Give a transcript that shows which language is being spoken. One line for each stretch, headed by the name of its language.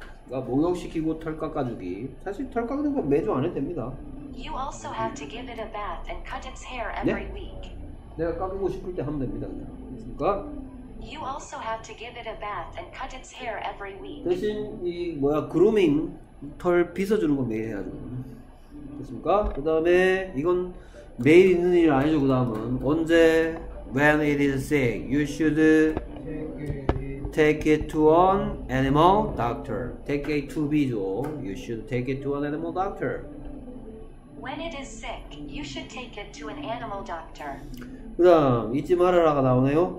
Korean: 그러니까 목욕시키고 털 깎아주기. 사실 털 깎는 건 매주 안 해도 됩니다.
English: You also have to give it a bath and cut its hair every week.
Korean: 내가 깎고 싶을 때 하면 됩니다. 그냥. 그러니까
English: You also have to give it a bath and cut its hair every week.
Korean: 대신 이 뭐야 그루밍 털 빗어주는 거 매일 해야죠. 됐습니까? 그 다음에 이건 매일 있는 일 아니죠. 그 다음은 언제?
English: When it is sick, you should take it to an animal doctor. Take it to B죠. You should take it to an animal doctor. When it is sick, you should take it to an animal doctor.
Korean: 그 다음 잊지 말아라가 나오네요.